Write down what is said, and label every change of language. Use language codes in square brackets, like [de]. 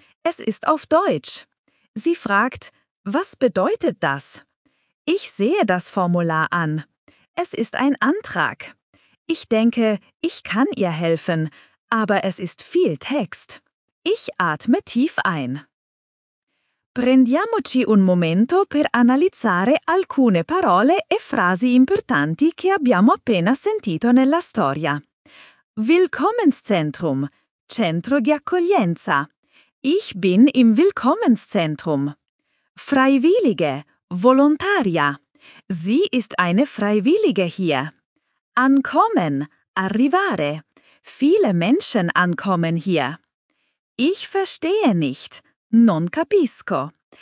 [de] Es ist auf Deutsch. Sie fragt, was bedeutet das? Ich sehe das Formular an. Es ist ein Antrag. Ich denke, ich kann ihr helfen, aber es ist viel Text. Ich atme tief ein. [it] Prendiamoci un momento per analizzare alcune parole e frasi importanti che abbiamo appena sentito nella storia. Willkommenszentrum, Centro di accoglienza. [de] Ich bin im Willkommenszentrum. Freiwillige, Volontaria. Sie ist eine Freiwillige hier. Ankommen, arrivare. Viele Menschen ankommen hier. Ich verstehe nicht, non capisco.